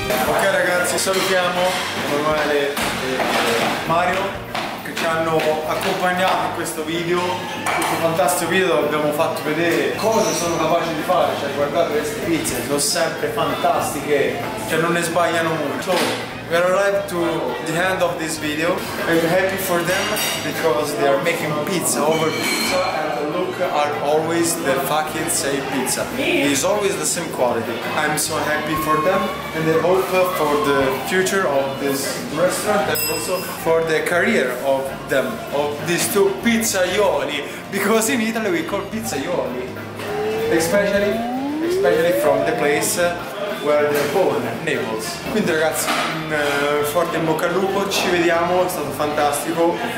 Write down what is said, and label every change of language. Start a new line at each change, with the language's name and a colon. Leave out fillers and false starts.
Italian: Ok ragazzi, salutiamo Emanuele e Mario che ci hanno accompagnato in questo video, questo fantastico video dove abbiamo fatto vedere cosa sono capaci di fare. Cioè, guardate queste pizze, sono sempre fantastiche, cioè non ne sbagliano molto.
English: We are arrived to the end of this video. I'm happy for them because they are making pizza over pizza, and the look are always the fucking same pizza. It is always the same quality. I'm so happy for them, and I hope for the future of this restaurant and also for the career of them, of these two pizzaioli, because in Italy we call pizzaioli. Especially from the place where they're born, Naples.
Italian: Quindi ragazzi, un forte in bocca al lupo, ci vediamo, è stato fantastico.